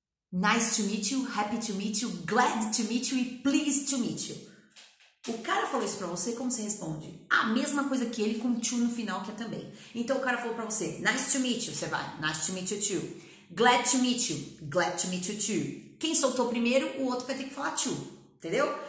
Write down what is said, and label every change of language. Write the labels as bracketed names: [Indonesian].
[English] Nice to meet you, happy to meet you, glad to meet you e pleased to meet you. [Portuguese] O cara falou isso pra você, como você responde? A mesma coisa que ele com to no final, que é também. Então o cara falou pra você, [English] nice to meet you, [Portuguese] você vai, [English] nice to meet you too. Glad to meet you, glad to meet you too. [Portuguese] Quem soltou primeiro, o outro vai ter que falar to, entendeu?